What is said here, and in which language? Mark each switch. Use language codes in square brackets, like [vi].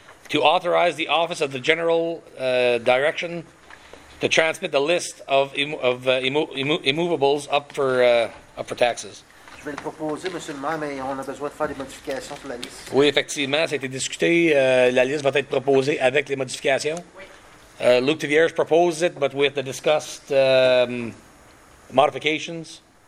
[en] To authorize the Office of the General Direction to transmit the list of immovables up for taxes. [fr] Je vais le proposer, Monsieur le Maire, mais on a besoin de faire des modifications sur la liste. Oui, effectivement, ça a été discuté. La liste va être proposée avec les modifications. Oui. [en] Luke Tivierge proposed it, but we have to discuss modifications.